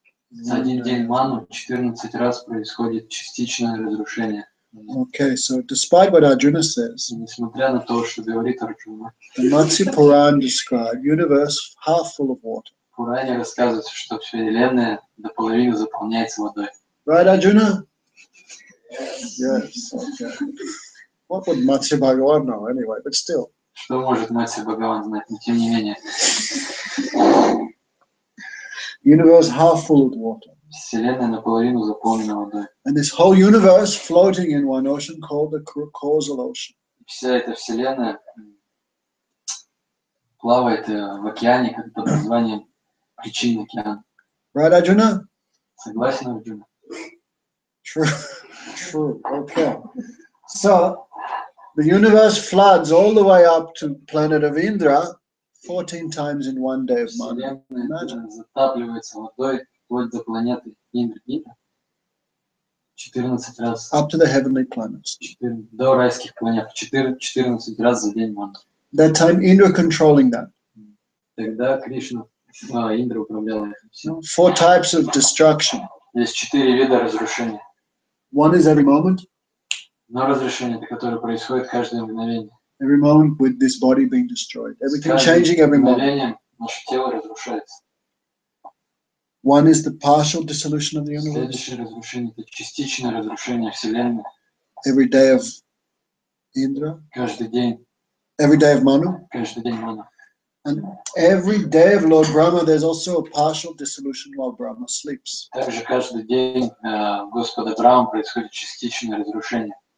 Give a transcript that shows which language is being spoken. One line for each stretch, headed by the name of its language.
Russian: За один день Ману 14 раз происходит частичное разрушение.
English: Okay, so despite what Arjuna says,
Russian: несмотря на то, что говорит Арджуна,
English: the Matsya Puran describes universe half full of water.
Russian: В Пуране рассказывается, что вся вселенная до половины заполняется водой.
English: Right, Arjuna? Yes. Okay. What would Matsya Bhagavan know anyway? But still.
Russian: Что может Матсья Бхагаван знать? Но тем не менее.
English: Universe half full of water.
Russian: Вселенная наполовину заполнена водой.
English: And this whole universe floating in one ocean called the causal ocean.
Russian: Вся эта вселенная плавает в океане под названием причинный океан.
English: Right, Arjuna?
Russian: Согласен, Arjuna.
English: True, true, okay. So, the universe floods all the way up to planet of Indra 14 times in one day of Mana. Imagine. Up to the heavenly planets.
Russian: До райских планет 14 раз за день Мана.
English: That time Indra controlling that.
Russian: Тогда Кришна, Индра управляла этим всем.
English: Four types of destruction.
Russian: Есть четыре вида разрушения.
English: One is every moment.
Russian: Но разрушение, которое происходит каждое мгновение.
English: Every moment with this body being destroyed. Everything changing every moment.
Russian: Наше тело разрушается.
English: One is the partial dissolution of the universe.
Russian: Следующее разрушение – это частичное разрушение Вселенной.
English: Every day of Indra.
Russian: Каждый день.
English: Every day of Manu.
Russian: Каждый день Manu.
English: And every day of Lord Brahma, there's also a partial dissolution while Brahma sleeps.
Russian: Также каждый день Господа Брахмы происходит частичное разрушение.